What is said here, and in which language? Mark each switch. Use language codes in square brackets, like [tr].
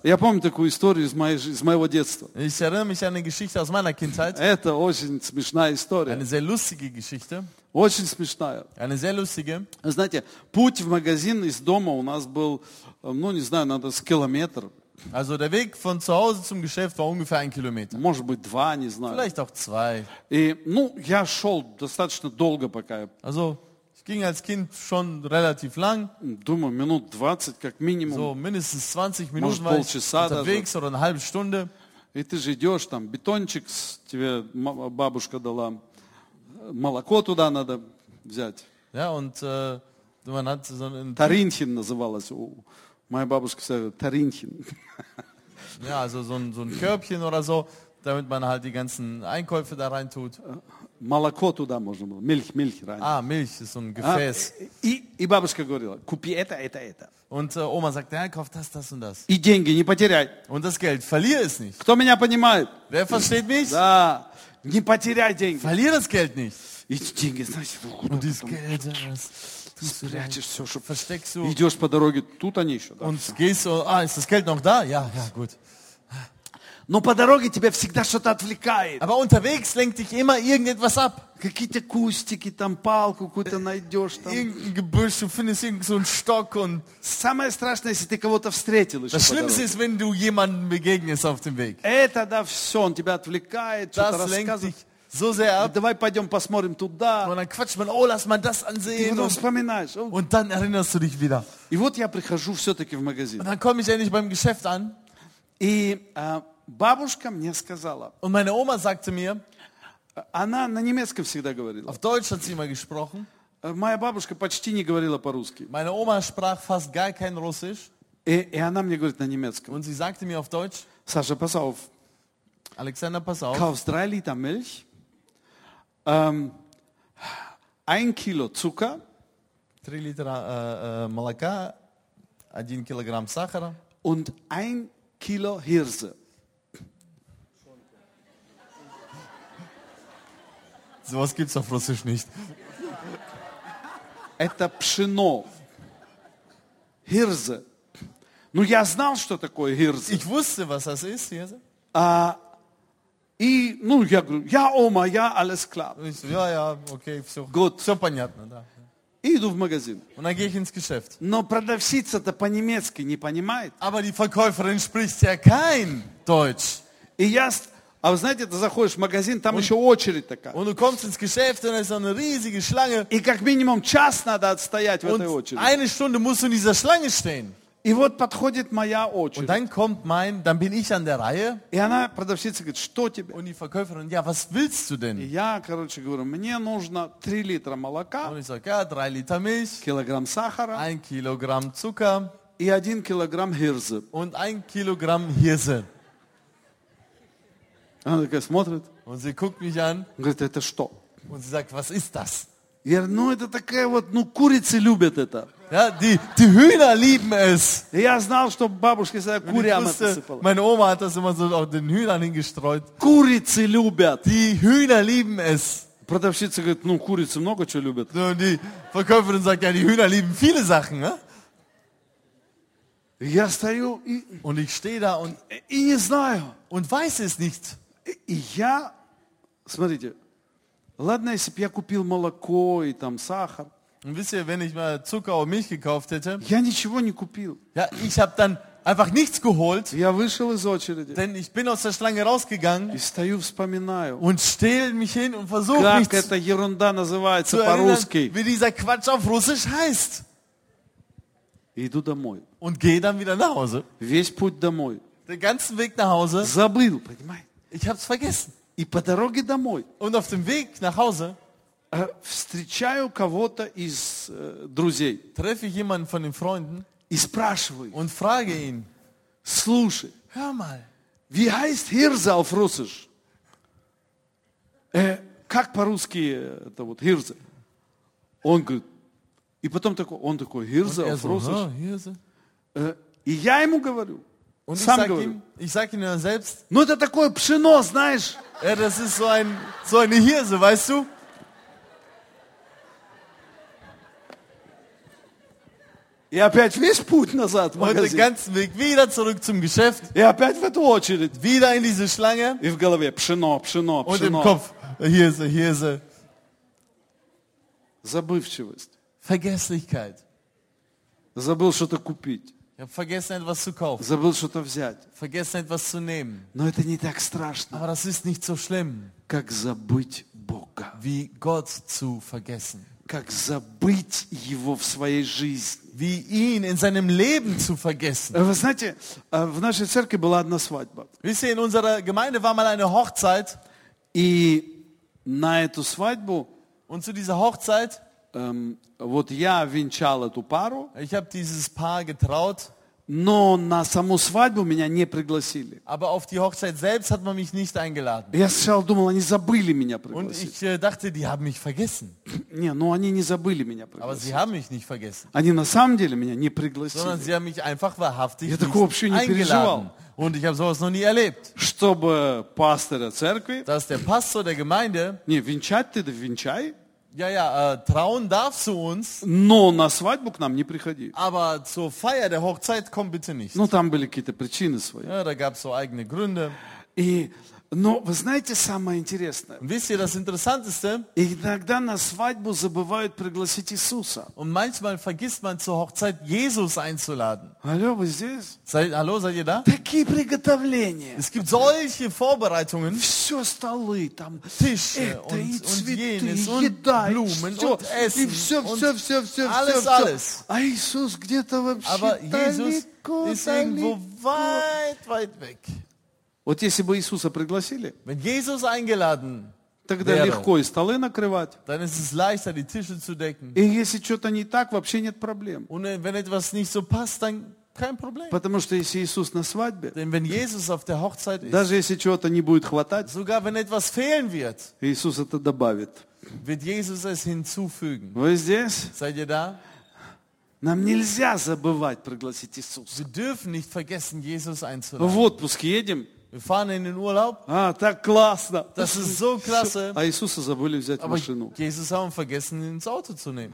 [ru] Я помню такую историю из моего детства. [de] Ich erinnere mich an eine Geschichte aus meiner Kindheit. [ru] Это очень смешная история. [de] Eine sehr lustige Geschichte. [ru] Очень смешная. [de] Eine sehr lustige. [ru] Знаете, путь в магазин из дома у нас был, ну не знаю, надо с километр. [de] Also der Weg von zu Hause zum Geschäft war ungefähr ein Kilometer. [ru] Может быть два, не знаю. [de] Vielleicht auch zwei. [ru] И, ну, я шел достаточно долго, пока я... [de] Also ich ging als Kind schon relativ lang. [ru] Думаю, минут 20, как минимум. [de] So mindestens 20 Minuten. [ru] Может, полчаса [de] war ich unterwegs [ru] даже. [de] Oder eine halbe Stunde. [ru] И ты же идешь, там бетончик тебе бабушка дала, молоко туда надо взять. [de] Ja, und, man hat so ein... [ru] Таринхин называлось. Моя бабушка сказала, таринхин. [de] Ja, also so ein Körbchen oder so, damit man halt die ganzen Einkäufe da rein tut. [ru] Молоко туда можно было, [de] Milch rein. Ah, Milch, so ein Gefäß. [ru] И бабушка говорила, купи это. [de] Und Oma sagt, ja, kauf das und das. [ru] И деньги не потеряй. [de] Und das Geld, verlier es nicht. [ru] Кто меня понимает? [de] Wer versteht mich? [ru] Да, не потеряй деньги. [de] Verlier das Geld nicht. [ru] И деньги, значит, [de] und das Geld, [ru] спрячешь все, чтобы [de] versteckst du. [ru] Идешь по дороге, тут они еще. Да, [de] und gehst du, ist das Geld noch da? Ja, ja, gut. [ru] Но по дороге тебя всегда что-то отвлекает. [de] Aber unterwegs lenkt dich immer irgendetwas ab. [ru] Какие-то кустики, там палку какую-то найдешь. Там. [de] Irgendein Gebüsch, du findest irgendeinen Stock. Und... [ru] Самое страшное, если ты кого-то встретил еще [de] das Schlimmste ist, wenn du jemanden begegnest auf dem Weg. [ru] Это да, все, он тебя отвлекает, [de] das [ru] что-то рассказывает. [de] So sehr ab. [ru] Давай пойдем посмотрим туда. [de] Und dann quatscht man, oh, lass mal das ansehen. Und dann erinnerst du dich wieder. [ru] И вот я прихожу все-таки в магазин. [de] Und dann komme ich endlich beim Geschäft an. [ru] И бабушка мне сказала. [de] Und meine Oma sagte mir. [ru] Она на немецком всегда говорила. [de] Auf Deutsch hat sie immer gesprochen. [ru] Моя бабушка почти не говорила по-русски. [de] Meine Oma sprach fast gar kein Russisch. [ru] И она мне говорит на немецком. [de] Und sie sagte mir auf Deutsch. Sascha, pass auf. Alexander, pass auf. Kaufst 3 Liter Milch. Ein Kilo Zucker. [ru] 3 Liter молока. 1 Kilogramm Сахара. [de] Und 1 Kilo Hirse. So was gibt's auf Russisch nicht. [ru] Это пшено. Hirse. Ну, я знал, что такое Hirse. [de] Ich wusste, was das ist, Hirse. [ru] И, ну, я говорю, я Ома, я [de] alles klar. Ja, okay, все. Gut. [ru] Все понятно, да. И иду в магазин. [de] Und dann gehe ich ins Geschäft. [ru] Но продавщица-то по-немецки не понимает. [de] Aber die Verkäuferin spricht ja kein Deutsch. [ru] И я, а вы знаете, ты заходишь в магазин, там und, еще очередь такая. [de] Und du kommst ins Geschäft, und ist eine riesige Schlange. [ru] И как минимум час надо отстоять [de] und [ru] в этой очереди. [de] Eine Stunde musst du in dieser Schlange stehen. [ru] И вот подходит моя очередь. [de] Und dann kommt mein, dann bin ich an der Reihe. [ru] И она продавщица говорит, что тебе? [de] Und die Verkäuferin, ja, was willst du denn? [ru] И я, короче, говорю, мне нужно 3 литра молока. [de] Und ich sag, ja, 3 Liter Milch. [ru] Килограмм сахара. [de] 1 Kilogramm Zucker. И 1 Kilogramm Hirse. Und 1 Kilogramm Hirse. [ru] Она такая смотрит. [de] Und sie guckt mich an. [ru] Und говорит, это что? [de] Und sie sagt, was ist das? [ru] Я говорю, ну это такая вот, ну курицы любят это. [de] Ja, die Hühner lieben es. [ru] Я знал, что бабушка сказала, курям это сыпала. [de] Meine Oma hat das immer so auch den Hühnern hingestreut. [ru] Курицы любят. [de] Die Hühner lieben es. [ru] Продавщица говорит, ну курицы много чего любят. [de] Ja, und die Verkäuferin sagt, ja, die Hühner lieben viele Sachen. Ne? [ru] Я стою и... [de] Und ich stehe da und... [ru] И не знаю. [de] Und weiß es nicht. [ru] И я... Смотрите... Ладно, если бы я купил молоко и там сахар. [de] Und wisst ihr, wenn ich mal Zucker und Milch gekauft hätte? [ru] Я ничего не купил. [de] Ja, ich habe dann einfach nichts geholt. [ru] Я вышел из очереди. [de] Denn ich bin aus der Schlange rausgegangen. [ru] И стою, вспоминаю. [de] Und stell mich hin und versuche mich. [ru] Как эта ерунда называется по-русски? [de] Wie dieser Quatsch auf Russisch heißt. [ru] И иду домой. [de] Und gehe dann wieder nach Hause. [ru] Весь путь домой. [de] Den ganzen Weg nach Hause. [ru] Забыл, понимаешь? [de] Ich habe es vergessen. [ru] И по дороге домой. [de] Und auf dem Weg nach Hause. [ru] Встречаю кого-то из друзей. [de] Treffe ich jemanden von den Freunden. [ru] И спрашиваю. [de] Und frage ihn. [ru] Слушай. [de] Hör mal. Wie heißt Hirse auf Russisch? [ru] Как по-русски это вот [de] Hirse? [ru] Он говорит. И потом такой, он такой, [de] Hirse auf Russisch. Oh, Hirse. [ru] И я ему говорю. [de] Und [ru] сам [de] ich [ru] говорю. [de] Ihm, ich sag ihm dann selbst. [ru] Ну это такое пшено, знаешь. [de] Ja, das ist so eine Hirse, weißt du? [ru] И опять весь путь назад в магазин. [de] Und den ganzen Weg wieder zurück zum Geschäft. [ru] И опять в эту очередь. [de] Wieder in diese Schlange. [ru] И в голове пшено. [de] Und im Kopf Hirse. [ru] Забывчивость. [de] Vergesslichkeit. [ru] Забыл что-то купить. [de] Я vergessen etwas zu kaufen. [ru] Забыл что-то взять. [de] Vergessen etwas zu nehmen. [ru] Но это не так страшно. [de] Aber das ist nicht so schlimm. [ru] Как забыть Бога. [de] Wie Gott zu vergessen. [ru] Как забыть его в своей жизни. [de] Wie ihn in seinem Leben zu vergessen. [ru] Вы знаете, в нашей церкви была одна свадьба. [de] Wisst ihr, in unserer Gemeinde war mal eine Hochzeit. [ru] И на эту свадьбу. [de] Und zu dieser Hochzeit. [ru] Вот я венчал эту пару. [de] Ich habe dieses Paar getraut. [ru] Но на саму свадьбу меня не пригласили. [de] Aber auf die Hochzeit selbst hat man mich nicht eingeladen. [ru] Я сначала думал, они забыли меня пригласить. [de] Und ich dachte, die haben mich vergessen. [ru] Не, но они не забыли меня пригласить. [de] Aber sie haben mich nicht vergessen. [ru] Они на самом деле меня не пригласили. [de] Sondern sie haben mich einfach wahrhaftig nicht eingeladen. [ru] Я такого вообще не переживал. [de] Und ich habe sowas noch nie erlebt. [ru] Чтобы пастор от церкви. [de] Dass der Pastor der Gemeinde. [ru] Не, венчать ты, венчай. [de] Ja, ja, trauen darfst du uns. [ru] Но на свадьбу к нам не приходи. [de] Aber zur Feier der Hochzeit komm bitte nicht. [ru] Ну, там были какие-то причины свои. [de] Ja, da gab's so eigene Gründe. [ru] И, но вы знаете самое интересное? [de] Wisst ihr das Interessanteste? [ru] Иногда на свадьбу забывают пригласить Иисуса. [de] Und manchmal vergisst man zur Hochzeit Jesus einzuladen. [ru] Hallo, вы здесь? [de] Hallo, seid ihr da? [ru] Такие приготовления. [de] Es gibt solche Vorbereitungen. [ru] Все столы там. [de] Tische und [ru] цветы, [de] jenes, [ru] und еда, [de] Blumen, [ru] все, [de] und Essen. [ru] И все, [de] und [ru] все, все, все, [de] alles, [ru] все, [de] alles. [ru] А Иисус где-то вообще [de] Aber [ru] далеко, [de] Jesus [ru] далеко. [de] Ist irgendwo weit, weit weg. [ru] Вот если бы Иисуса пригласили, [de] Wenn Jesus eingeladen [ru] тогда [de] wäre, [ru] легко и столы накрывать. [de] Dann ist es leichter, die Tische zu decken. [ru] И если что-то не так, вообще нет проблем. [de] Und wenn etwas nicht so passt, dann kein Problem. [ru] Потому что если Иисус на свадьбе, [de] Denn wenn Jesus auf der Hochzeit ist, [ru] даже если чего-то не будет хватать, [de] sogar wenn etwas fehlen wird, [ru] Иисус это добавит. [de] Wird Jesus es hinzufügen. [ru] Вы здесь? [de] Seid ihr da? [ru] Нам нельзя забывать пригласить Иисуса. [de] Wir dürfen nicht vergessen, Jesus einzuladen. [ru] В отпуск едем. [de] Wir fahren in den Urlaub. [ru] А, так классно. [de] Das ist so klasse. [ru] А Иисуса забыли взять [de] Aber [ru] машину. [de] Jesus haben vergessen, ihn ins Auto zu nehmen.